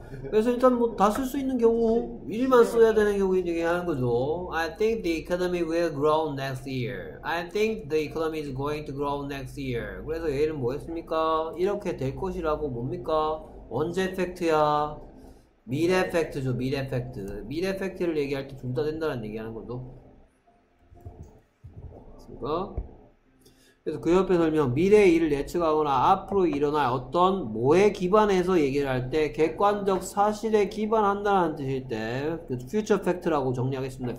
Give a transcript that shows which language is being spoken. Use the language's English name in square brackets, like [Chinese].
[Korean] 그래서 일단 뭐 다 쓸 수 있는 경우, 일만 써야 되는 경우 얘기하는 거죠. [English] I think the economy will grow next year. I think the economy is going to grow next year. [Korean] 그래서 얘는 뭐 했습니까? 이렇게 될 것이라고 뭡니까? 언제 팩트야? 미래 팩트죠. 미래 팩트. 미래 팩트를 얘기할 때 둘 다 된다는 얘기하는 거죠. 그거. 그래서 그 옆에 설명, 미래의 일을 예측하거나 앞으로 일어날 어떤 뭐에 기반해서 얘기를 할 때 객관적 사실에 기반한다는 뜻일 때 future fact라고 정리하겠습니다.